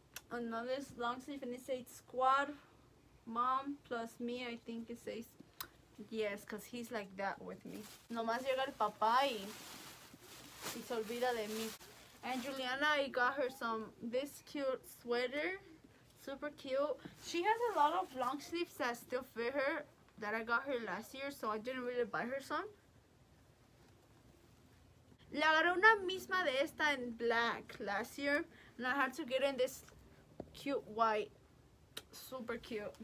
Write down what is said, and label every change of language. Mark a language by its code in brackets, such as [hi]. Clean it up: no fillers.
[en] Another long sleeve, and it says squad mom plus me, I think it says. Yes, because he's like that with me. [es] Nomás llega el papá y se olvida de mí. [en] And Juliana, I got her this cute sweater. Super cute. She has a lot of long sleeves that still fit her that I got her last year, so I didn't really buy her some. [es] Le agarré una misma de esta [en] in black last year, and I had to get in this cute white. Super cute.